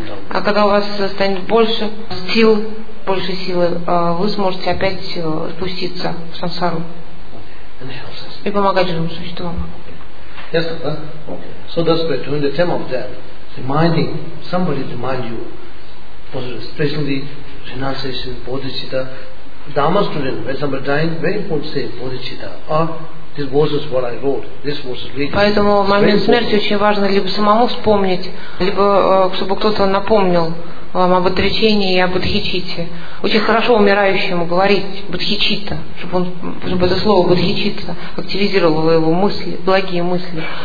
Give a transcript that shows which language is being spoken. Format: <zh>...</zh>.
<ru>А когда у вас станет больше силы, вы сможете опять спуститься в сансару и помогать живым существам.</ru> <en>Yes, okay. So that's why during the time of that, reminding somebody to remind you, especially renunciation, bodhicitta. Dharma student, when somebody dying, very important to say bodhicitta. Or this was what I wrote. This was written.</en> <ru>Поэтому в момент смерти очень важно либо самому вспомнить, либо чтобы кто-то напомнил вам об отречении и об бодхичитте. Очень хорошо умирающему говорить бодхичитта, чтобы это слово бодхичитта активизировало его мысли, благие мысли.</ru>